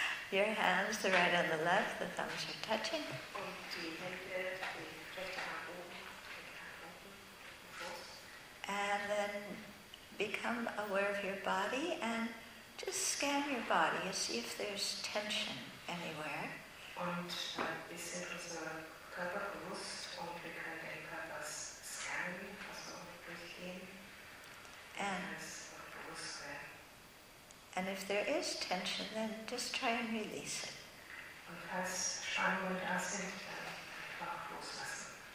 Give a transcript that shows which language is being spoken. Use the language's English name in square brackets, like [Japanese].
[English] Your hands, the right and the left, the thumbs are touching. And then become aware of your body and just scan your body and see if there's tension anywhere. [German] Und wir sind unser Körper bewusst und wir können den Körper scannen, also durchgehen. [English] And if there is tension, then just try and release it. [German] Und falls Spannungen da sind, dann einfach loslassen.